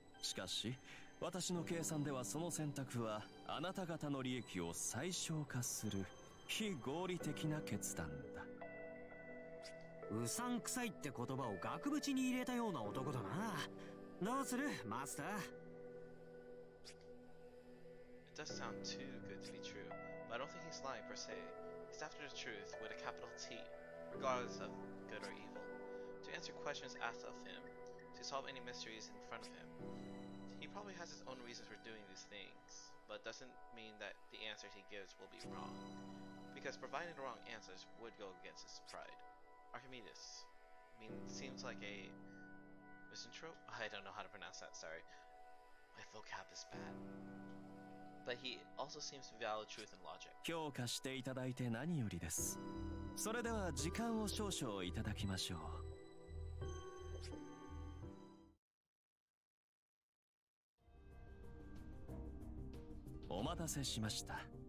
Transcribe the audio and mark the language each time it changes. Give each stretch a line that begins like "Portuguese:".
Japanese: しかし私の計算ではその選択はあなた方の利益を最小化する非合理的な決断だ。うさんくさいって言葉を額縁に入れたような男だな。どうするマスター？
English: It does sound too good to be true, but I don't think he's lying per se. He's after the truth with a capital T, regardless of good or evil. To answer questions asked of him, to solve any mysteries in front of him. He probably has his own reasons for doing these things, but doesn't mean that the answers he gives will be wrong, because providing the wrong answers would go against his pride. Archimedes, I mean, seems like a misanthrope? I don't know how to pronounce that, sorry. My vocab is bad. But he also seems to value truth and logic.
Japanese: 評価していただいて何よりです。それでは時間を少々いただきましょう。お待たせしました。